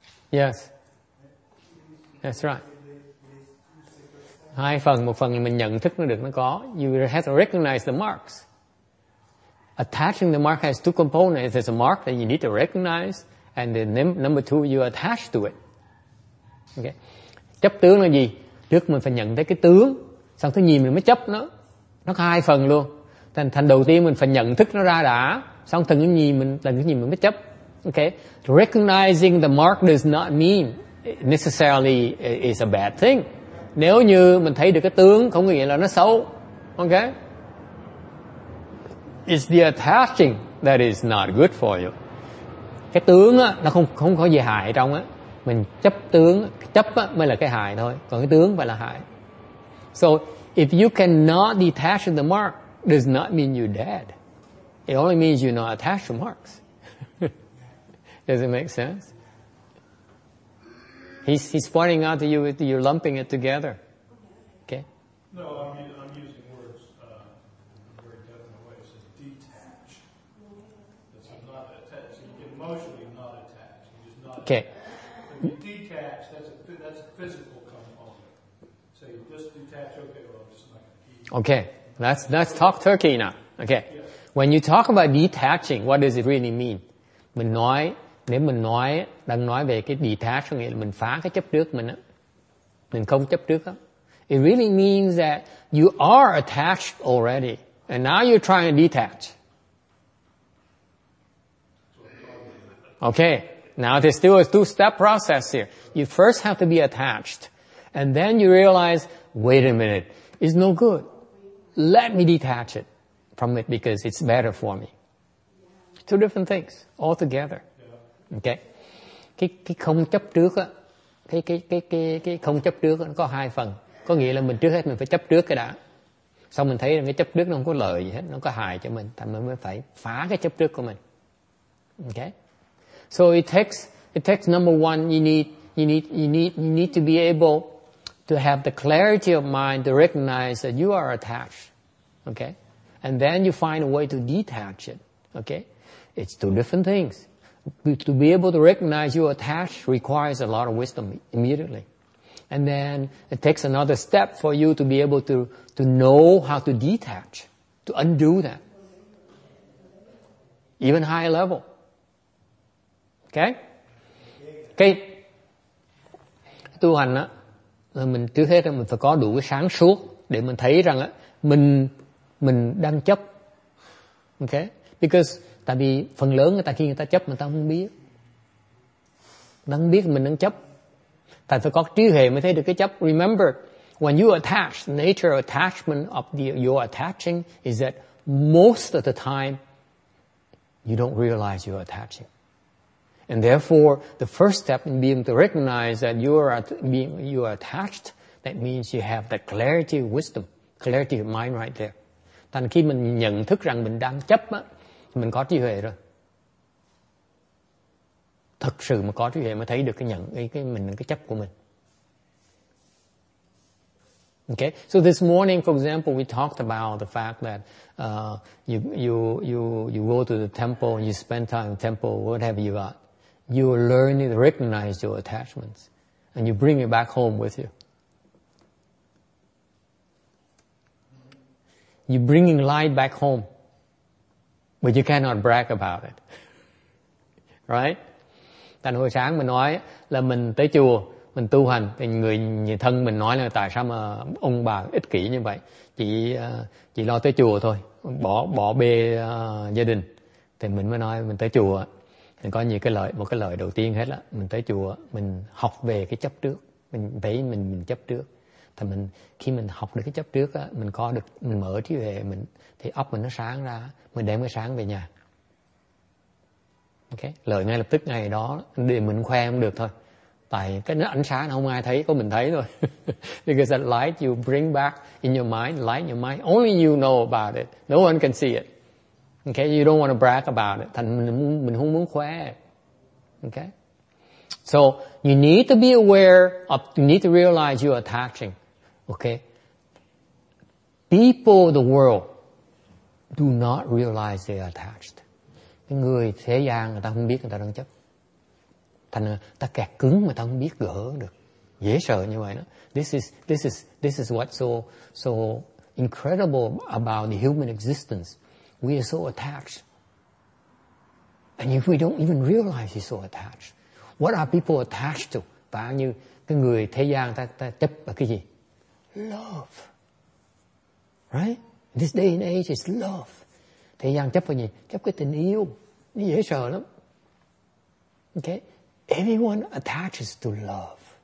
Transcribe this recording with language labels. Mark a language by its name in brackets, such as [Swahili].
[English] Yes. That's right. [Vietnamese] Hai phần, một phần là mình nhận thức nó được, nó có. [English] You have to recognize the marks. Attaching the mark has two components. There's a mark that you need to recognize, and then number two, you attach to it. Okay. [Vietnamese] Chấp tướng là gì? Trước mình phải nhận thấy cái tướng, xong thứ nhì mình mới chấp nó. Nó có hai phần luôn. Thành đầu tiên mình phải nhận thức nó ra đã, xong thần cái nhìn mình mới chấp. [English] Okay, recognizing the mark does not mean necessarily is a bad thing. [Vietnamese] Nếu như mình thấy được cái tướng không có nghĩa là nó xấu. [English] Okay, it's the attaching that is not good for you. [Vietnamese] Cái tướng á, nó không có gì hại trong á. Mình chấp tướng, chấp á, mới là cái hại thôi. Còn cái tướng phải là hại. [English] So if you cannot detach the mark, does not mean you're dead. It only means you're not attached to marks. Does it make sense? He's pointing out to you that you're lumping it together. Okay. No, I'm using words in a very definite way. It's a detach. It's not attached. You're emotionally not attached. You're just not attached. When you detach, that's a physical component. So you just detach, okay, well, I'm just not going to be. Okay. Let's talk turkey now. Okay. When you talk about detaching, what does it really mean? [Vietnamese] Mình nói, nếu mình nói, đang nói về cái detach, nghĩa là mình phá cái chấp trước mình á. Mình không chấp trước á. [English] It really means that you are attached already, and now you're trying to detach. Okay. Now there's still a two-step process here. You first have to be attached, and then you realize, wait a minute, it's no good. Let me detach it from it because it's better for me. Yeah. Two different things altogether. Yeah. Okay. [Vietnamese] Cái không chấp trước á, cái không chấp trước nó có hai phần. Có nghĩa là mình trước hết mình phải chấp trước cái đã. Xong mình thấy là cái chấp trước nó không có lợi gì hết, nó có hại cho mình, thành mình mới phải phá cái chấp trước của mình. [English] Okay. So it takes number one, you need to be able to have the clarity of mind to recognize that you are attached, okay? And then you find a way to detach it, okay? It's two different things. To be able to recognize you are attached requires a lot of wisdom immediately. And then it takes another step for you to be able to know how to detach, to undo that. Even higher level. Okay? Okay. [Vietnamese] Tu hành á, mình trước hết là mình phải có đủ cái sáng suốt để mình thấy rằng á mình đang chấp. [English] Ok, because [Vietnamese] tại vì phần lớn người ta khi người ta chấp người ta không biết, người ta không biết mình đang chấp. Tại phải có trí huệ mới thấy được cái chấp. [English] Remember, when you attach, the nature of attachment of your attaching is that most of the time you don't realize you're attaching. And therefore, the first step in being to recognize that you are attached, that means you have the clarity of wisdom, clarity of mind right there. [Vietnamese] Thành khi mình nhận thức rằng mình đang chấp á, mình có trí huệ rồi. Thực sự mà có trí huệ mới thấy được cái chấp của mình. [English] Okay. So this morning, for example, we talked about the fact that you go to the temple and you spend time in the temple, whatever you got. You are learning to recognize your attachments and you bring it back home with you. You're bringing light back home, but you cannot brag about it. Right? [Vietnamese] Tại hồi sáng mình nói là mình tới chùa, mình tu hành, thì người thân mình nói là tại sao mà ông bà ích kỷ như vậy? Chỉ lo tới chùa thôi, bỏ bê gia đình. Thì mình mới nói mình tới chùa. Mình có nhiều cái lợi, một cái lợi đầu tiên hết là mình tới chùa, mình học về cái chấp trước, mình thấy mình chấp trước. Thì mình khi mình học được cái chấp trước á, mình có được, mình mở trí huệ mình, thì óc mình nó sáng ra, mình đem cái sáng về nhà. Ok, lợi ngay lập tức ngày đó, để mình khoe không được thôi. Tại cái nó ánh sáng không ai thấy, có mình thấy thôi. [English] Because that light you bring back in your mind, light in your mind, only you know about it, no one can see it. Okay, you don't want to brag about it. [Vietnamese] Thành mình không muốn khoe. [English] Okay? So, you need to be aware of, you need to realize you're attaching. Okay? People of the world do not realize they're attached. [Vietnamese] Cái người thế gian người ta không biết người ta đang chấp. Thành ta kẹt cứng mà ta không biết gỡ được. Dễ sợ như vậy đó. [English] This is what's so incredible about the human existence. We are so attached. And if we don't even realize we're so attached, what are people attached to? [Vietnamese] Bao nhiêu cái người thế gian ta chấp vào cái gì? [English] Love. Right? This day and age is love. [Vietnamese] Thế gian chấp cái gì? Chấp cái tình yêu. Nó dễ sợ lắm. Okay. [English] Everyone attaches to love.